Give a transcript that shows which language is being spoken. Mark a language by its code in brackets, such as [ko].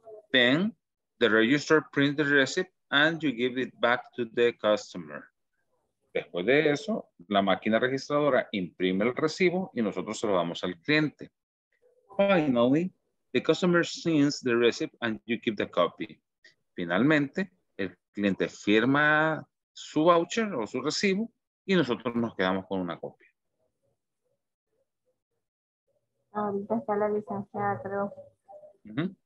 [en] Then the register prints the receipt and you give it back to the customer. [es] Después de eso, la máquina registradora imprime el recibo y nosotros se lo damos al cliente. [en] Finally, the customer signs the receipt and you keep the copy. [es] Finalmente, el cliente firma su voucher o su recibo y nosotros nos quedamos con una copia. Ahorita está la licenciada, creo.